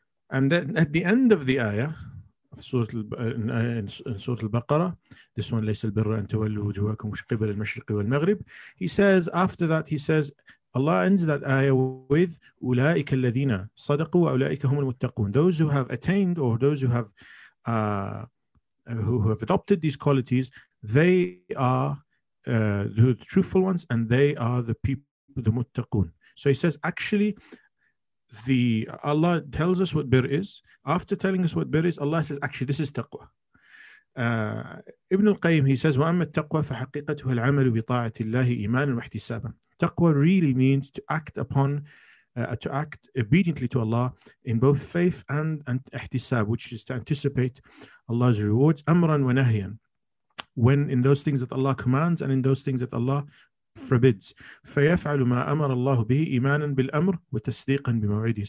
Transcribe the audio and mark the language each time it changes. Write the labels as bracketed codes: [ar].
[en] And then at the end of the ayah, in Surah Al-Baqarah, this one, [ar] لَيْسَ الْبِرَّ أَن تُوَلُّوا وُجُوهَكُمْ قِبَلَ الْمَشْرِقِ وَالْمَغْرِبِ, [en] he says, after that, he says, Allah ends that ayah with [ar] أُولَٰئِكَ الَّذِينَ صَدَقُوا وَأُولَٰئِكَ هُمُ الْمُتَّقُونَ, [en] those who have attained, or those who have who have adopted these qualities, they are the truthful ones, and they are the people, the muttaqun. So he says, actually, the Allah tells us what birr is. After telling us what birr is, Allah says, actually, this is taqwa. [ar] Ibn al-Qayyim, [en] he says, [ar] وَأَمَّا التَّقْوَى فَحَقِيقَتُهَا الْعَمَلُ بِطَاعَةِ اللَّهِ إِيمَانٌ وَاحْتِسَابًا. [en] Taqwa really means to act upon, to act obediently to Allah in both faith and ihtisab, which is to anticipate Allah's rewards, [ar] amran wa nahyan, [en] when in those things that Allah commands and in those things that Allah forbids. [ar] فَيَفْعَلُ مَا أَمَرَ اللَّهُ بِهِ إِيمَانًا بِالْأَمْرِ وَتَسْدِيقًا بِمَوْعِدِهِ.